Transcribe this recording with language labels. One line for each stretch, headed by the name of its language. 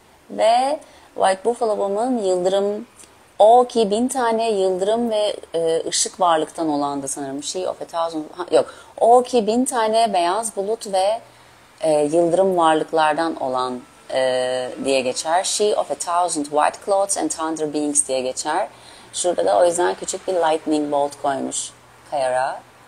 Turkish: Ve White Buffalo Woman yıldırım, o ki bin tane yıldırım ve ışık varlıktan olan da sanırım. Şey
English: of a thousand,
Turkish: yok. O ki bin tane beyaz bulut ve yıldırım varlıklardan olan diye geçer.
English: She of a thousand white clouds and thunder beings
Turkish: diye geçer. Şurada da o yüzden küçük bir
English: lightning bolt
Turkish: koymuş Kayara.